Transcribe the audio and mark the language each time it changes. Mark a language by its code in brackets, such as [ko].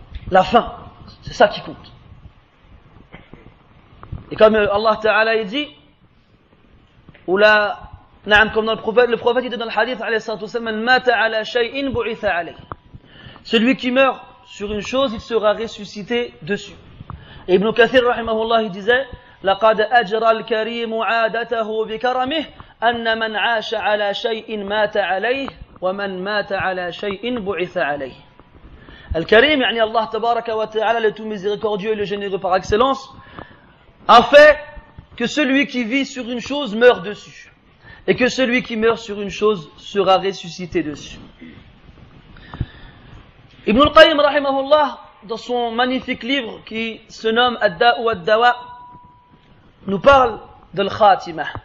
[fr] La fin, c'est ça qui compte. Et comme Allah Ta'ala a dit, ou la, comme dans le prophète dit dans le hadith, alayhi [ar] sallallahu alayhi wa sallam, mata ala shay'in bu'itha alayhi. [fr] Celui qui meurt sur une chose, il sera ressuscité dessus. [ar] Et Ibn Kathir, rahimahullah, [fr] il disait, [ar] لقد أجرى الكريم عادته بكرمه أن من عاش على شيء مات عليه ومن مات على شيء بعث عليه. الكريم يعني الله تبارك وتعالى [fr] le tout miséricordieux et le généreux par excellence a fait que celui qui vit sur une chose meurt dessus et que celui qui meurt sur une chose sera ressuscité dessus. Ibn al-Qayyim رحمه الله dans son magnifique livre qui se nomme الداء والدواء nous parle de l'khatima.